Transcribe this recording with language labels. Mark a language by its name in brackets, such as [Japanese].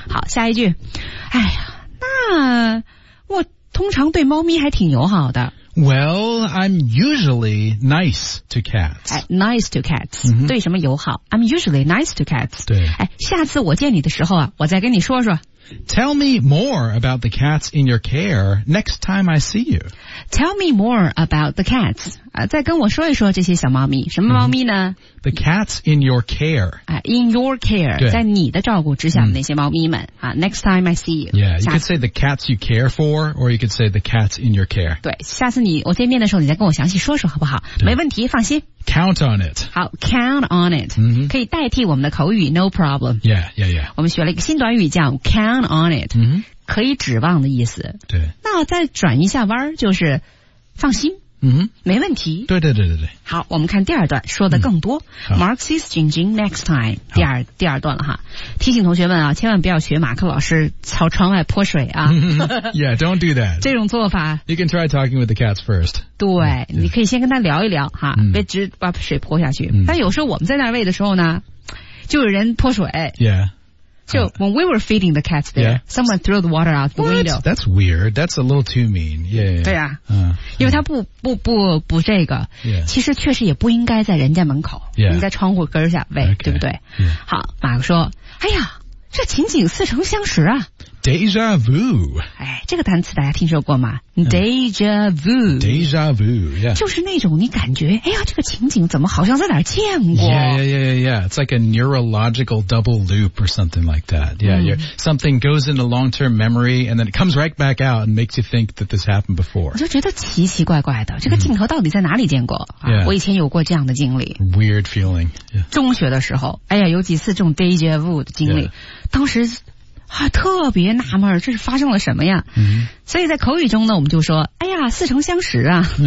[Chinese] 好下一句哎呀那我通常对猫咪还挺友好的 [English] Well, I'm usually nice to cats、哎、Nice to cats、 [Chinese] 嗯、对什么友好 [English] I'm usually nice to cats [Chinese] 对、哎、下次我见你的时候啊，我再跟你说说 [English] Tell me more about the cats in your care next time I see you. Tell me more about the cats. [Chinese] 再跟我说一说这些小猫咪。什么猫咪呢？ [English] The cats in your care. In your care. [Chinese] 在你的照顾之下的那些猫咪们。 [English] Next time I see you. Yeah, you could say the cats you care for, or you could say the cats in your care. [Chinese] 对，下次你我见面的时候你再跟我详细说说好不好？没问题，放心。 [English] Count on it. 好 ,count on it.、 Mm-hmm. [Chinese] 可以代替我们的口语 , [English] no problem. Yeah, yeah, yeah. [Chinese] 我们学了一个新短语叫 [English] count on it.、 Mm-hmm. [Chinese] 可以指望的意思。对。那再转一下弯就是放心。嗯，没问题。对对对对对。好，我们看第二段说的更多。 [English] Mark sees Jingjing next time。 [Chinese] 第二段了哈。提醒同学们啊，千万不要学马克老师朝窗外泼水啊。 [English] Yeah, don't do that. [Chinese] 这种做法。 [English] You can try talking with the cats first. [Chinese] 对， [English] yeah. [Chinese] 你可以先跟他聊一聊哈，别直把水泼下去。但有时候我们在那儿喂的时候呢，就有人泼水。 [English] Yeah. So when we were feeding the cats there, someone threw the water out the window. What? That's weird. That's a little too mean. Yeah. [Chinese] 对呀、啊。因为他不这个。 [English] Yeah. [Chinese] 其实确实也不应该在人家门口。 [English] Yeah. [Chinese] 应该窗户根下喂、 [English] okay. [Chinese] 对不对、 [English] yeah. [Chinese] 好马克说哎呀这情景似曾相识啊。 [English] Deja vu. [Chinese] 哎这个单词大家听说过吗、Deja vu. [English] Deja vu, yeah. [Chinese] 就是那种你感觉哎呀这个情景怎么好像在哪儿见过。 [English] Yeah, yeah, yeah, yeah. It's like a neurological double loop or something like that. Yeah,、something goes into long-term memory and then it comes right back out and makes you think that this happened before. [Chinese] 你就觉得奇奇怪怪的这个镜头到底在哪里见过、 [English] yeah. [Chinese] 我以前有过这样的经历。 [English] Weird feeling.、Yeah. [Chinese] 中学的时候哎呀有几次这种 deja vu 的经历、 [English] yeah. [Chinese] 当时啊，特别纳闷，这是发生了什么呀？嗯，所以在口语中呢，我们就说，哎呀，似曾相识啊。